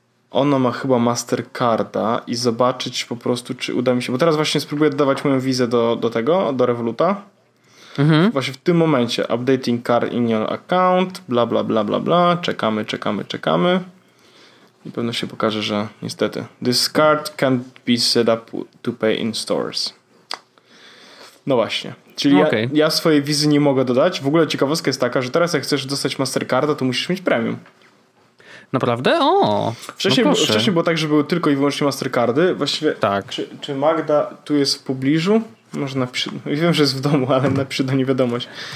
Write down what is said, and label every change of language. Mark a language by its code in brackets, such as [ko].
[pl] Ono ma chyba Mastercarda i zobaczyć po prostu, czy uda mi się. Bo teraz właśnie spróbuję dodawać moją wizę do tego, do Revoluta. Mhm. Właśnie w tym momencie. [en] Updating card in your account, bla, bla, bla, bla, bla. [pl] Czekamy, czekamy, czekamy. I pewno się pokaże, że niestety. [en] This card can't be set up to pay in stores. [pl] No właśnie. Czyli okay. Ja swojej wizy nie mogę dodać. W ogóle ciekawostka jest taka, że teraz jak chcesz dostać Mastercarda, to musisz mieć premium. Naprawdę? O! Wcześniej, no wcześniej było tak, że były tylko i wyłącznie Mastercardy. Właściwie. Tak. Czy Magda tu jest w pobliżu? Może napisze. Wiem, że jest w domu, ale napisze do niej wiadomość.